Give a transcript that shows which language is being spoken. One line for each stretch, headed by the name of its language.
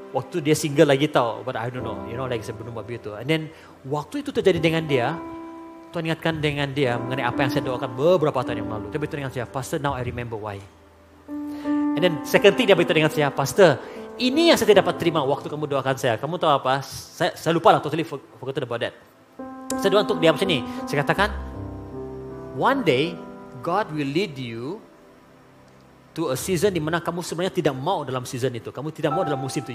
Malay: Waktu dia single lagi tau,
English: but I don't know, you know,
Malay: like saya belum buat begitu. And then, waktu itu terjadi dengan dia, Tuhan ingatkan dengan dia mengenai apa yang saya doakan beberapa tahun yang lalu. Tapi Tuhan ingatkan saya,
English: pastor now I remember why. And then second thing
Malay: dia beritahu dengan saya, pastor, ini yang saya tidak dapat terima waktu kamu doakan saya. Kamu tahu apa? Saya lupa lah,
English: totally forgot about that.
Malay: Saya doa untuk dia macam ini. Saya katakan,
English: one day, God will lead you to a season
Malay: di mana kamu sebenarnya tidak mau dalam season itu. Kamu tidak mau dalam musim itu.